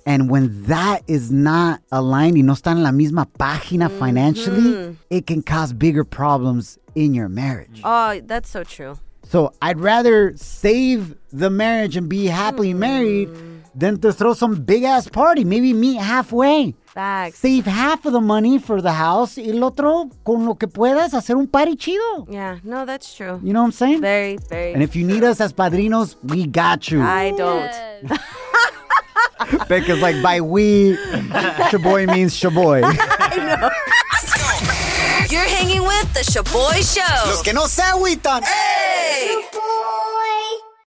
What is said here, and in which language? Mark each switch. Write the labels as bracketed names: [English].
[English] And when that is not aligned, [Spanish] y no están en la misma página [English] financially, it can cause bigger problems in your marriage. Oh, that's so true. So I'd rather save the marriage and be happily married than to throw some big ass party. Maybe meet halfway. Facts. Save half of the money for the house. [Spanish] Y el otro, con lo que puedas, hacer un party chido. [English] Yeah, no, that's true. You know what I'm saying? Very, very. And if you need us as padrinos, we got you. I don't. Becca's like, by we, Shaboy means Shaboy. I know. You're hanging with the Shaboy Show. [Spanish] Los que no se agüitan. [English] Hey! Shaboy!